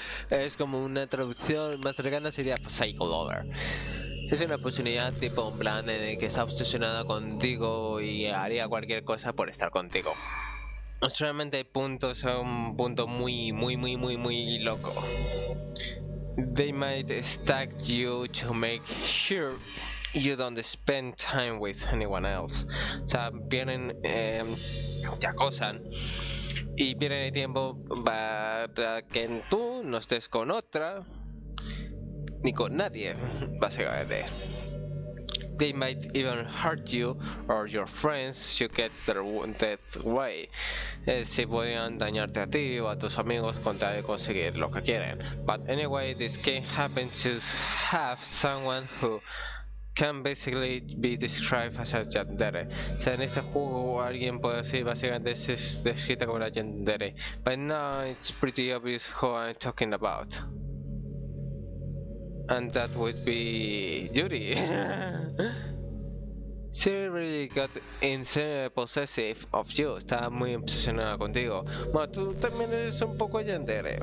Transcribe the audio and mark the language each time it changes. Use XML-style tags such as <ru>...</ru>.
<es>Es como una traducción más cercana, sería</es> <en>psycho lover.</en> <es>Es una posibilidad tipo un plan en el que está obsesionada contigo y haría cualquier cosa por estar contigo. Solamente el punto es un punto muy, muy, muy, muy, muy loco.</es> <en>They might stack you to make sure you don't spend time with anyone else.</en> <es>O sea, vienen, te acosan y pierden el tiempo para que tú no estés con otra ni con nadie, básicamente.</es> <en>they might even hurt you or your friends you get their that way.</en> <es>Se podrían dañarte a ti o a tus amigos con tal de conseguir lo que quieren.</es> <en>But anyway, this game happens to have someone who can basically be described as a yandere.</en> <es>O sea, en este juego alguien puede decir básicamente es descrita como una yandere.</es> <en>But now it's pretty obvious who I'm talking about. And that would be Yuri. She really got insanely possessive of you.</en> <es>Estaba muy obsesionada contigo. Bueno, tú también eres un poco yandere.</es>